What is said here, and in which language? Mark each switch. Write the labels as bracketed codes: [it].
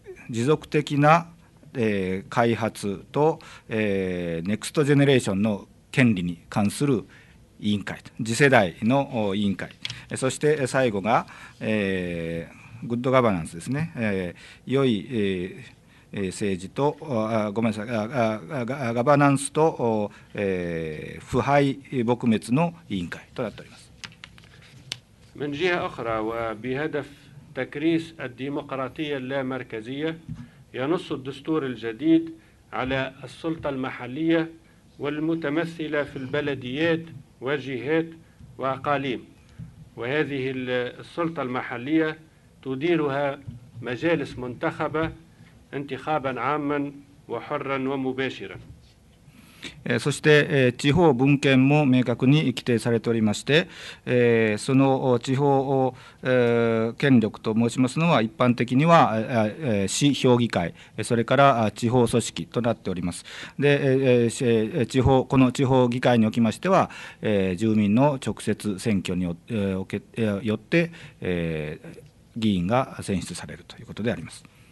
[ja] 持続的な開発とネクストジェネレーションの権利に関する委員会、次世代の委員会、そして最後がグッドガバナンスですね、良い政治と、ごめんなさい、ガバナンスと腐敗撲滅の委員会となっております。 [ar] من جهة أخرى وبهدف تكريس الديمقراطية اللامركزية ينص الدستور الجديد على السلطة المحلية والمتمثلة في البلديات وجهات وأقاليم وهذه السلطة المحلية تديرها مجالس منتخبة انتخابا عاما وحرا ومباشرا。 [ja] そして地方分権も明確に規定されておりまして、その地方権力と申しますのは一般的には市評議会、それから地方組織となっております。で、地方、この地方議会におきましては住民の直接選挙によって議員が選出されるということであります。